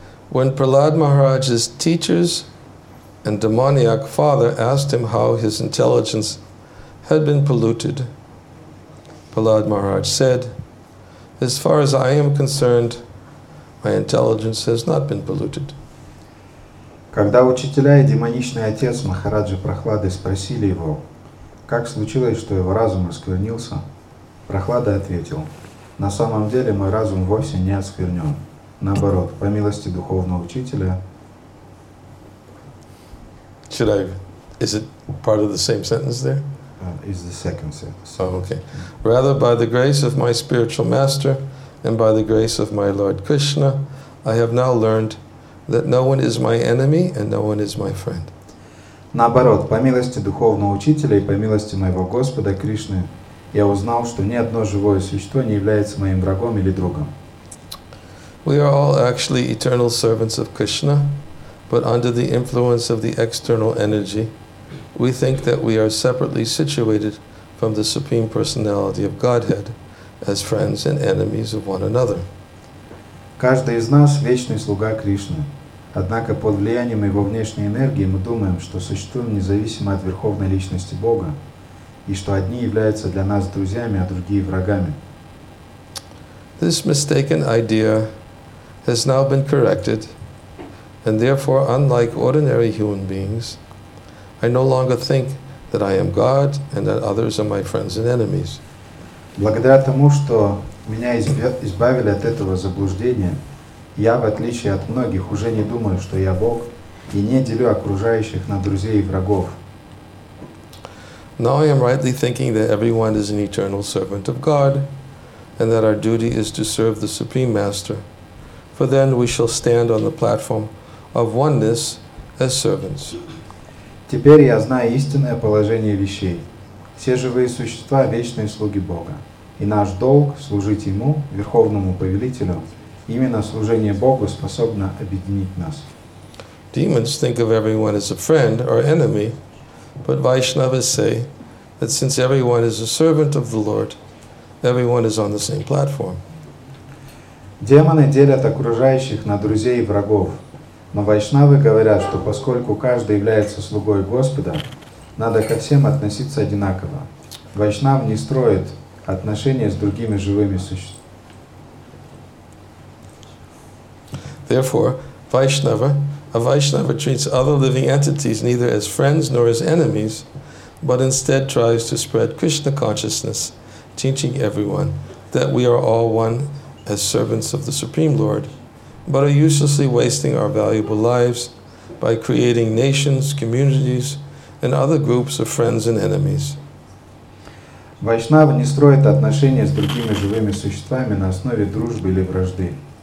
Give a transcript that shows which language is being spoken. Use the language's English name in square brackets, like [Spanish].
[English] When Prahlad Maharaj's teachers and demoniac father asked him how his intelligence had been polluted, Prahlad Maharaj said, "As far as I am concerned, my intelligence has not been polluted." [Russian] Когда учителя и демоничный отец Махараджи Прахлады спросили его, как случилось, что его разум осквернился, Прахлада ответил, на самом деле мой разум вовсе не осквернен. Наоборот, по милости духовного учителя. [English] Should I, is it part of the same sentence there? It's the second sentence. Oh, okay. Rather, by the grace of my spiritual master and by the grace of my Lord Krishna, I have now learned that no one is my enemy and no one is my friend. [Russian] Наоборот, по милости духовного учителя и по милости моего Господа Кришны, я узнал, что ни одно живое существо не является моим врагом или другом. [English] We are all actually eternal servants of Krishna, but under the influence of the external energy, we think that we are separately situated from the Supreme Personality of Godhead as friends and enemies of one another. [Russian] Каждый из нас – вечный слуга Кришны. Однако под влиянием его внешней энергии мы думаем, что существуем независимо от Верховной Личности Бога, и что одни являются для нас друзьями, а другие – врагами. [English] This mistaken idea has now been corrected, and therefore, unlike ordinary human beings, I no longer think that I am God and that others are my friends and enemies. [Russian] Благодаря тому, что меня избавили от этого заблуждения, я, в отличие от многих, уже не думаю, что я Бог, и не делю окружающих на друзей и врагов. [English] Now I am rightly thinking that everyone is an eternal servant of God, and that our duty is to serve the Supreme Master, for then we shall stand on the platform of oneness as servants. [Russian] Теперь я знаю истинное положение вещей. Все живые существа – вечные слуги Бога. И наш долг – служить Ему, Верховному Повелителю. Именно служение Богу способно объединить нас. [English] Demons think of everyone as a friend or enemy, but Vaishnavas say that since everyone is a servant of the Lord, everyone is on the same platform. [Russian] Демоны делят окружающих на друзей и врагов, но вайшнавы говорят, что поскольку каждый является слугой Господа, надо ко всем относиться одинаково. Вайшнав не строит отношения с другими живыми существами. [English] Therefore, Vaishnava, a Vaishnava treats other living entities neither as friends nor as enemies, but instead tries to spread Krishna consciousness, teaching everyone that we are all one as servants of the Supreme Lord, but are uselessly wasting our valuable lives by creating nations, communities, and other groups of friends and enemies. [Russian] Вайшнава не строит отношения с другими живыми существами на основе дружбы или вражды.